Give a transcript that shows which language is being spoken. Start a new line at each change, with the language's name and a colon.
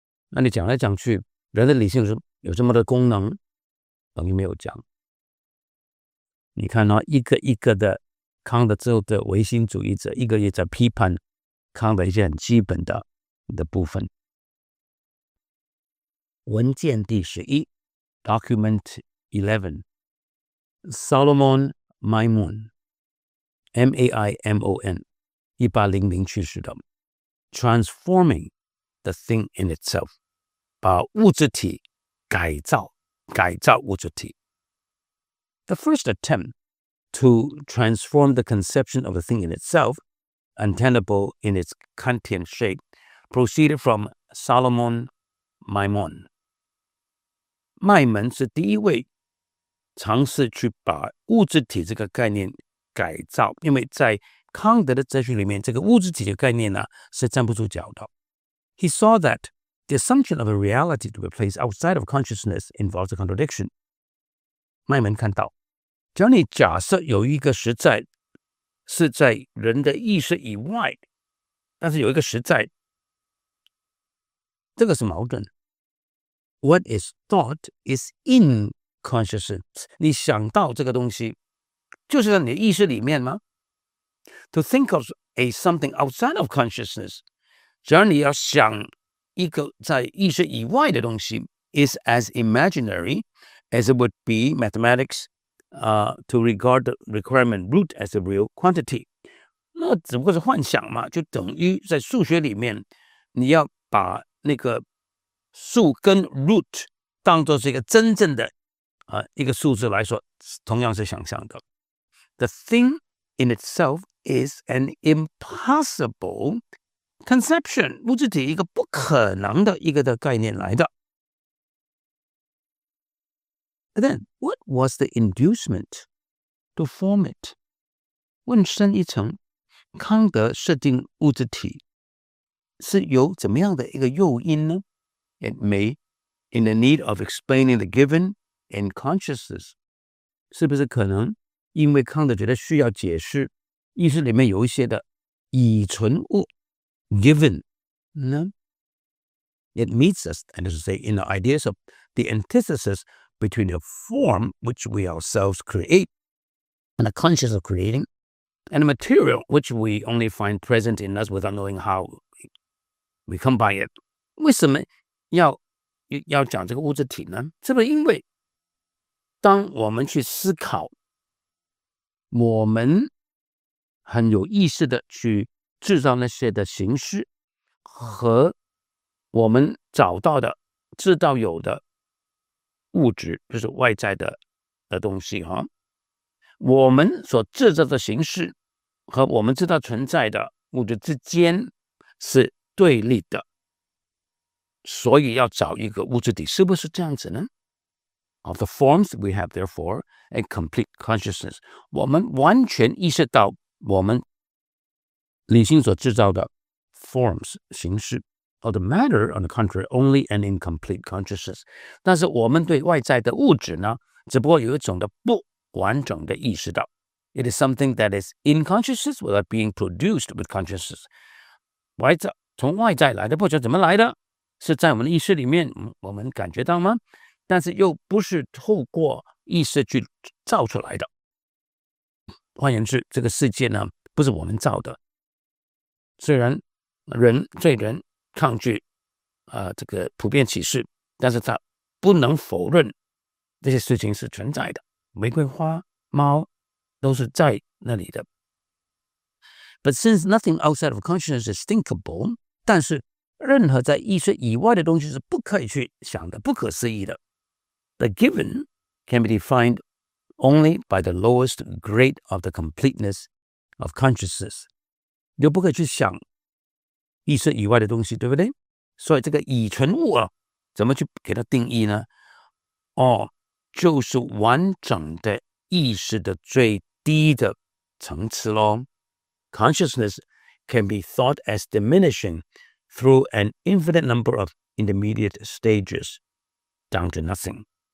Chinese: 那你讲来讲去人的理性是有这么的功能，等于没有讲。你看到一个一个的康德之后的唯心主义者，一个也在批判康德一些很基本的部分。文件第十一
English: ，Document 11，Solomon Maimon，M-A-I-M-O-N，
Chinese: 1800去世的
English: ，Transforming the thing in itself，
Chinese: 把物质体。改造物质体。
English: The first attempt to transform the conception of a thing in itself, untenable in its Kantian shape, proceeded from Solomon Maimon.
Chinese: 麦门是第一位尝试去把物质体这个概念改造，因为在康德的哲学里面，这个物质体的概念呢是站不住脚的。
English: He saw that. The assumption of a reality to be placed outside of consciousness involves a contradiction.
Chinese: 麦门看到，只要你假设有一个实在是在人的意识以外，但是有一个实在，这个是矛盾。
English: What is thought is in
Chinese: consciousness， 你想到这个东西就是在你的意识里面吗？
English: To think of a something outside of consciousness，
Chinese: 只要你要想一个在意识以外的东西，
English: is as imaginary as it would be mathematics、to regard the requirement root as a real quantity，
Chinese: 那只不过是幻想嘛，就等于在数学里面你要把那个数根 root 当作是一个真正的、一个数字来说，同样是想象的。
English: The thing in itself is an impossible conception，
Chinese: 物质体一个不可能的一个的概念来的。
English: But then what was the inducement to form it？
Chinese: 问深一层，康德设定物质体是有怎么样的一个诱因呢？
English: It may, in the need of explaining the given in consciousness.
Chinese: 是不是可能因为康德觉得需要解释意识里面有一些的已存物 given 呢？
English: It meets us, that is to say, in the ideas of the antithesis between the form which we ourselves create and the conscious of creating and the material which we only find present in us without knowing how we come by it.
Chinese: 为什么要讲这个物质体呢？是不是因为当我们去思考，我们很有意识的去制造那些的形式，和我们找到的知道有的物质，就是外在 的东西哈，我们所制造的形式和我们知道存在的物质之间是对立的，所以要找一个物质体，是不是这样子呢？
English: Of the forms we have therefore a complete consciousness，
Chinese: 我们完全意识到我们理性所制造的 forms 形式。
English: Of the matter on the contrary only an incomplete consciousness，
Chinese: 但是我们对外在的物质呢，只不过有一种的不完整的意识到。
English: It is something that is in consciousness without being produced with consciousness，
Chinese: 外在从外在来的不知道怎么来的，是在我们的意识里面我们感觉到吗？但是又不是透过意识去造出来的。换言之，这个世界呢不是我们造的，虽然人最人抗拒、这个普遍启示，但是他不能否认这些事情是存在的，玫瑰花猫都是在那里的。
English: But since nothing outside of consciousness is thinkable，
Chinese: 但是任何在意识以外的东西是不可以去想的，不可思议的。
English: The given can be defined only by the lowest grade of the completeness of consciousness，
Chinese: 就不可以去想意识以外的东西，对不对？所以这个已存物啊，怎么去给它定义呢？哦，就是完整的意识的最低的层次咯。
English: Consciousness can be thought as diminishingthrough an infinite number of intermediate stages down to nothing。